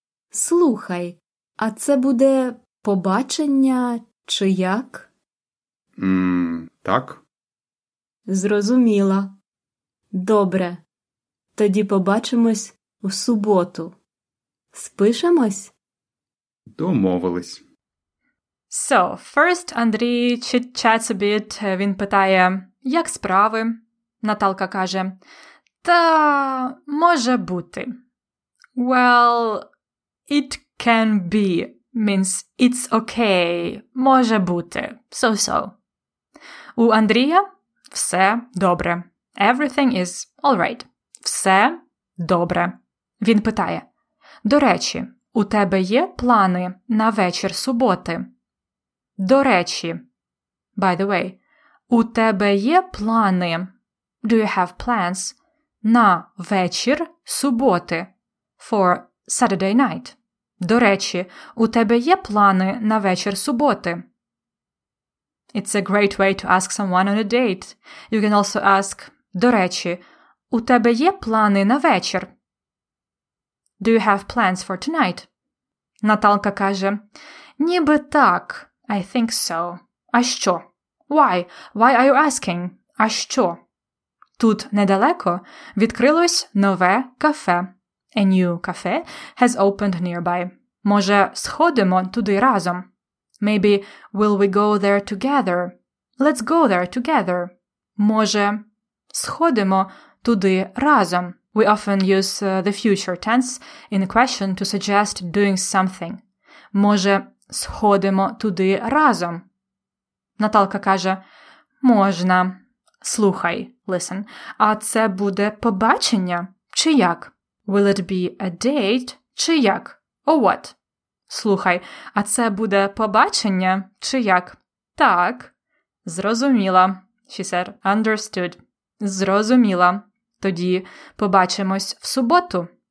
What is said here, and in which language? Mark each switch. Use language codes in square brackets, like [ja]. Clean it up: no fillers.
[uk] Слухай, а це буде побачення чи як? Так. Зрозуміла. Добре. Тоді побачимось у суботу. Спишемось? Домовились. [en] So, first Андрій chit-chats a bit. [uk] Він питає, як справи? Наталка каже, та може бути. [en] Well, it can be means it's okay. [uk] Може бути. [en] So-so. [uk] У Андрія все добре. [en] Everything is all right. [uk] Все добре. Він питає, до речі, у тебе є плани на вечір суботи? До речі, [en] by the way, [uk] у тебе є плани, [en] do you have plans, [uk] на вечір суботи, [en] for Saturday night? [uk] До речі, у тебе є плани на вечір суботи? [en] It's a great way to ask someone on a date. You can also ask, [uk] до речі, у тебе є плани на вечір? [en] Do you have plans for tonight? [uk] Наталка каже, ніби так, [en] I think so. [uk] А що? [en] Why? Why are you asking? А що? [uk] Тут недалеко відкрилось нове кафе. [en] A new cafe has opened nearby. [uk] Може, сходимо туди разом? [en] Maybe, will we go there together? Let's go there together. [uk] Може, сходимо туди разом? [en] We often use the future tense in a question to suggest doing something. [uk] Може, сходимо туди разом? Наталка каже, можна. Слухай, [en] listen, [uk] а це буде побачення чи як? [en] Will it be a date [uk] чи як? [en] Or what? [uk] Слухай, а це буде побачення чи як? Так, зрозуміла. [en] She said, understood. [uk] Зрозуміла. Тоді побачимось в суботу.